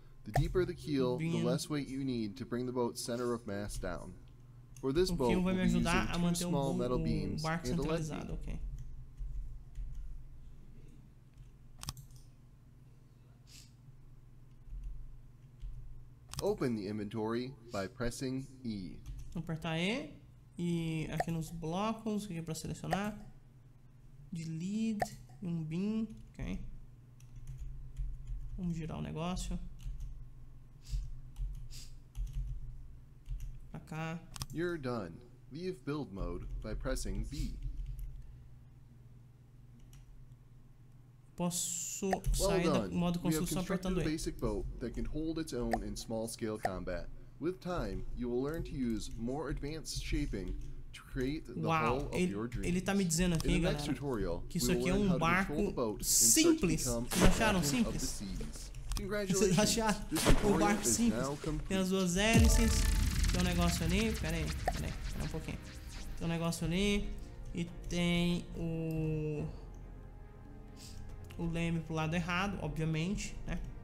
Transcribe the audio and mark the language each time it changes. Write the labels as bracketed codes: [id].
[en] The deeper the keel, the less weight you need to bring the boat's center of mass down. For this boat, we'll be using two small metal beams and a lead beam. Okay. Open the inventory by pressing E. [pt] Vou apertar E e aqui nos blocos, o que é para selecionar? De lead, um beam, ok. Vamos girar o negócio. Pra cá. [en] You're done. Leave build mode by pressing B. [pt] Posso sair do modo construção só apertando [en] E. Well done. We have constructed a basic boat that can hold its own in small scale combat. With time, you will learn to use more advanced shaping to create the hull of your dreams. [pt] Ele tá me dizendo aqui, [en] in [pt] galera, tutorial, que isso aqui é um barco simples. Vocês acharam simples? Vocês acharam? O barco simples. Tem as duas hélices. Tem um negócio ali. Pera aí um pouquinho. Tem um negócio ali. E tem o leme pro lado errado, obviamente, né?